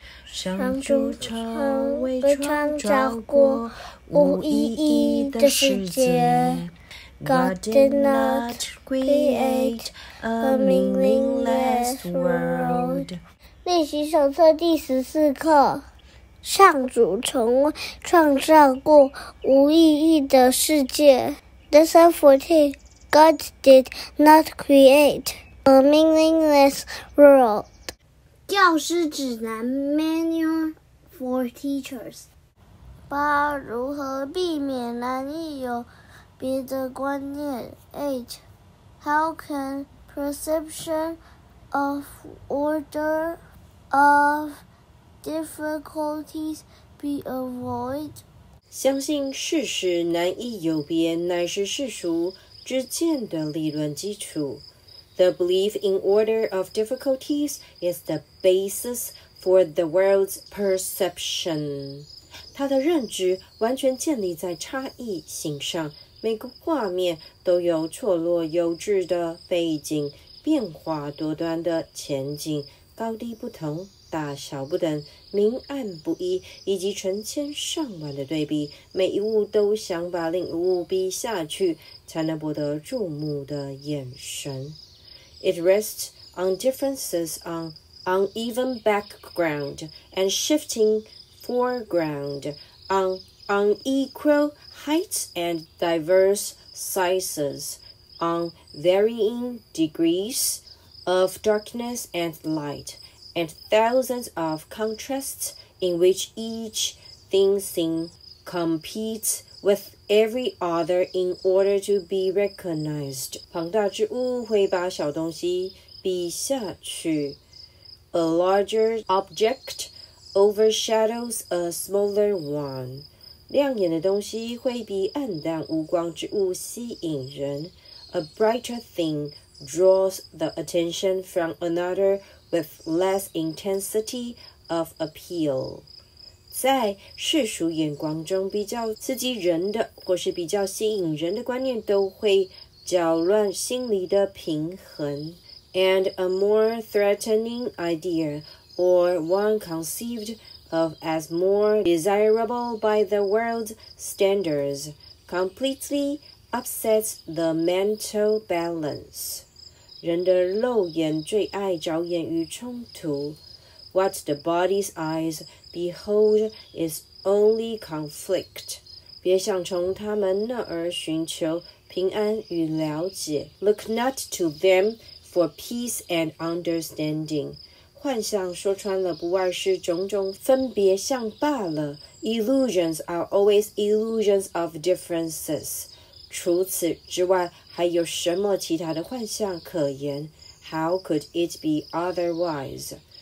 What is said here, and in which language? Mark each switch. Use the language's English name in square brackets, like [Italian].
[Chinese] 上主超为创造过无意义的世界。 [English] God did not create a meaningless world. [Chinese] 练习手册第十四课，上主从未创造过无意义的世界。 [English] Lesson 14, God did not create a meaningless world. [Chinese] 教师指南 [English] Manual for Teachers. [Chinese] 八，如何避免难易有别的观念。 [English] 8. How can perception of order of difficulties be avoided? [Chinese] 相信事实难易有别乃是世俗之见的理论基础。 [English] The belief in order of difficulties is the basis for the world's perception. [Chinese] 他的认知完全建立在差异性上，每个画面都有错落有致的背景，变化多端的前景，高低不同，大小不等，明暗不一，以及成千上万的对比，每一物都想把另一物逼下去，才能博得注目的眼神。 [English] It rests on differences on uneven background and shifting foreground onequal heights and diverse sizes, on varying degrees of darkness and light, and thousands of contrasts in which each thing seen competes with every other in order to be recognized. [Chinese] 庞大之物会把小东西逼下去。 [English] A larger object overshadows a smaller one. [Chinese] 亮眼的东西会比暗淡无光之物吸引人。 [English] A brighter thing draws the attention from another with less intensity of appeal. [Chinese] 在世俗眼光中比较刺激人的或是比较吸引人的观念都会搅乱心理的平衡。 [English] And a more threatening idea, or one conceived of as more desirable by the world's standards, completely upsets the mental balance. [Chinese] 人的肉眼最爱着眼于冲突。 [English] What the body's eyes behold is only conflict. [Chinese] 别想从他们那儿寻求平安与了解。 [English] Look not to them for peace and understanding. [Chinese] 幻想说穿了不外是种种分别相罢了。 [English] Illusions are always illusions of differences. [Chinese] 除此之外还有什么其他的幻想可言？ [English] How could it be otherwise?